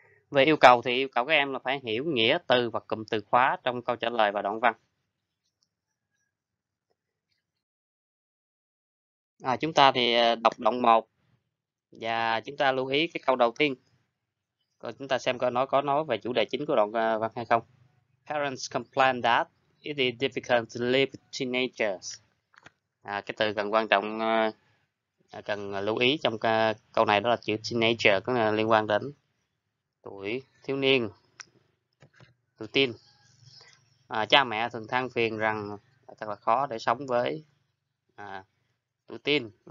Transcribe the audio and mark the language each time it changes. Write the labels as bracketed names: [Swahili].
[Vietnamese] Về yêu cầu thì yêu cầu các em là phải hiểu nghĩa từ và cụm từ khóa trong câu trả lời và đoạn văn. Chúng ta thì đọc đoạn 1 và chúng ta lưu ý cái câu đầu tiên. Rồi chúng ta xem coi nó có nói về chủ đề chính của đoạn văn hay không. [English] Parents complain that it is difficult to live with teenagers. [Vietnamese] Cái từ cần quan trọng cần lưu ý trong câu này đó là chữ teenager, có liên quan đến tuổi thiếu niên, tuổi teen. Cha mẹ thường than phiền rằng thật là khó để sống với tuổi teen.